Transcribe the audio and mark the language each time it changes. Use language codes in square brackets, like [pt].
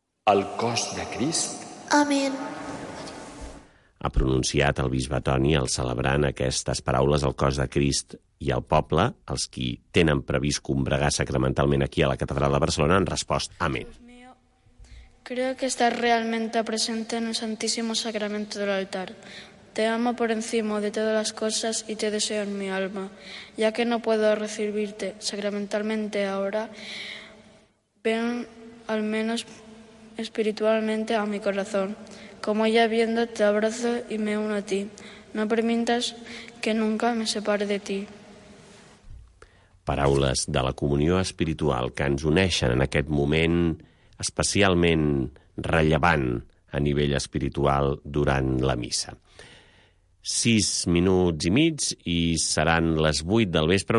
[ca] El cos de Crist. Amén. Ha pronunciat el bisbe Toni, al celebrant aquestes paraules, el cos de Crist i el poble, els qui tenen previst combregar sacramentalment aquí a la Catedral de Barcelona, han respost: Amén. [es] Creo que estás realmente presente en el Santísimo Sacramento del altar. Te amo por encima de todas las cosas y te deseo en mi alma. Ya que no puedo recibirte sacramentalmente ahora, ven al menos espiritualmente a mi corazón. Como ya viendo, te abrazo y me uno a ti. No permitas que nunca me separe de ti. [ca] Paraules de la comunió espiritual que ens uneixen en aquest moment especialment rellevant a nivell espiritual durant la missa. 6 minuts i mig i seran les 8 del vespre.